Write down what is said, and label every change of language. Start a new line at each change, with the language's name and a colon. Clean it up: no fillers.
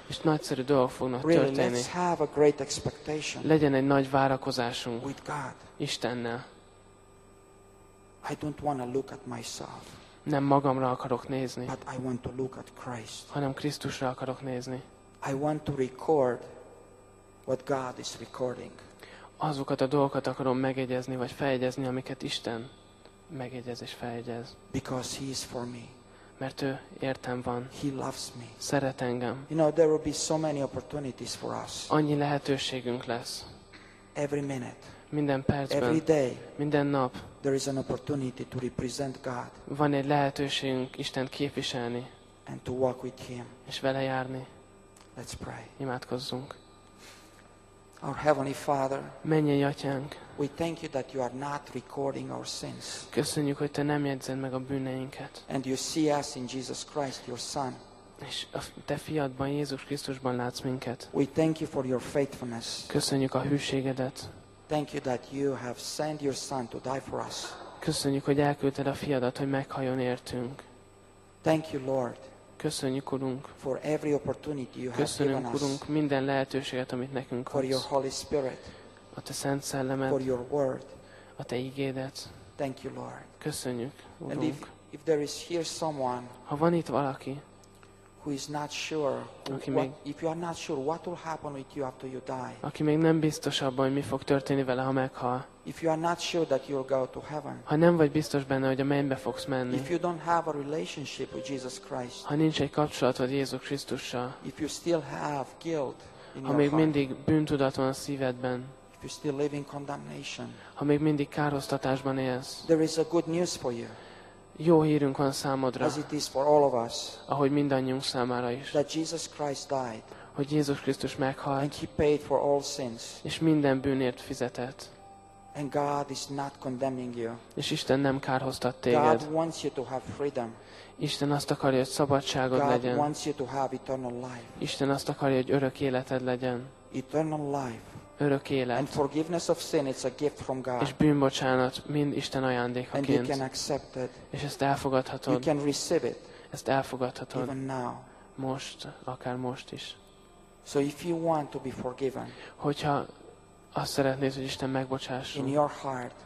Hungarian: És nagyszerű dolgok fognak
English: really,
Hungarian: történni.
English: Let's have a great expectation.
Hungarian: Legyen egy nagy várakozásunk.
English: With God.
Hungarian: Istennel.
English: I don't want to look at myself.
Hungarian: Nem magamra akarok nézni.
English: But I want to look at Christ.
Hungarian: Hanem Krisztusra akarok nézni.
English: I want to record what God is recording.
Hungarian: Azokat a dolgokat akarom megjegyezni, vagy feljegyezni, amiket Isten megjegyez és feljegyez.
English: Because he is for me.
Hungarian: Mert ő értem van.
English: He loves me.
Hungarian: Szeret engem.
English: You know, there will be so many opportunities for us.
Hungarian: Annyi lehetőségünk lesz.
English: Every minute.
Hungarian: Minden percben.
English: Every day.
Hungarian: Minden nap.
English: There is an opportunity to represent God.
Hungarian: Van egy lehetőségünk Istent képviselni.
English: And to walk with him.
Hungarian: És vele járni.
English: Let's pray.
Hungarian: Imádkozzunk.
English: Our heavenly Father,
Hungarian: mennyei Atyánk,
English: we thank you that you are not recording our sins.
Hungarian: Köszönjük, hogy te nem jegyzed meg a bűneinket.
English: And you see us in Jesus Christ, your Son.
Hungarian: És a te fiadban, Jézus Krisztusban látsz minket.
English: We thank you for your faithfulness.
Hungarian: Köszönjük a hűségedet.
English: Thank you that you have sent your Son to die for us.
Hungarian: Köszönjük, hogy elküldted a fiadat, hogy meghaljon értünk.
English: Thank you, Lord.
Hungarian: Köszönjük, Urunk.
English: For every opportunity you
Hungarian: Köszönöm,
English: have given
Hungarian: Urunk,
English: us.
Hungarian: Minden lehetőséget, amit nekünk adsz.
English: For your Holy Spirit.
Hungarian: A te Szent Szellemed.
English: For your word.
Hungarian: A te ígédet.
English: Thank you, Lord.
Hungarian: Köszönjük, Urunk.
English: And if there is here someone,
Hungarian: ha van itt valaki,
English: who is not sure, if you are not sure what will happen with you after you die,
Hungarian: aki még nem biztos abban, hogy mi fog történni vele, ha meghal,
English: if you are not sure that you'll go to heaven,
Hungarian: ha nem vagy biztos benne, hogy a mennybe fogsz menni,
English: if you don't have a relationship with Jesus Christ,
Hungarian: ha nincs egy kapcsolatod Jézus Krisztussal,
English: if you still have guilt in your heart,
Hungarian: ha még mindig bűntudat van a szívedben,
English: if you still live in condemnation,
Hungarian: ha még mindig károsztatásban élsz,
English: there is a good news for you.
Hungarian: Jó hírünk van számodra,
English: as it is for all of us,
Hungarian: ahogy mindannyiunk számára is,
English: that Jesus Christ died,
Hungarian: hogy Jézus Krisztus meghalt,
English: and he paid for all sins,
Hungarian: és minden bűnért fizetett,
English: and God is not condemning you,
Hungarian: és Isten nem kárhoztat téged.
English: God wants you to have freedom.
Hungarian: Isten azt akarja, hogy szabadságod
English: God
Hungarian: legyen.
English: Wants you to have eternal life.
Hungarian: Isten azt akarja, hogy örök életed legyen.
English: Eternal life.
Hungarian: Örök élet.
English: And forgiveness of sin, it's a gift from God.
Hungarian: És bűnbocsánat mind Isten ajándékaként.
English: And you can accept it.
Hungarian: És ezt elfogadhatod.
English: You can receive it.
Hungarian: Ezt elfogadhatod.
English: Even now.
Hungarian: Most, akár most is.
English: So if you want to be forgiven,
Hungarian: hogyha azt szeretnéd, hogy Isten megbocsásson,
English: in your heart,